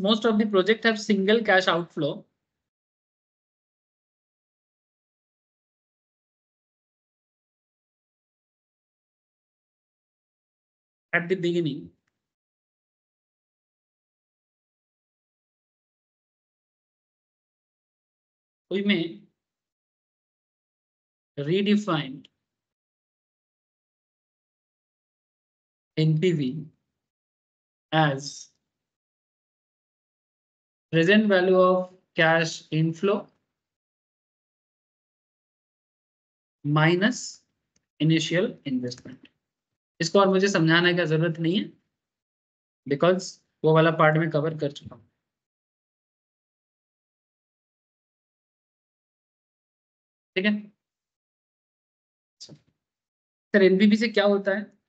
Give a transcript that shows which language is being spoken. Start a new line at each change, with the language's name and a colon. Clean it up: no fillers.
English: most of the project have single cash outflow, at the beginning
Hindi: उसमें
English: redefined NPV as present value of cash inflow minus initial investment.
Hindi: इसको और मुझे समझाने का जरूरत नहीं है बिकॉज वो वाला पार्ट में कवर कर चुका हूं. ठीक है सर, एनपीवी से क्या होता है?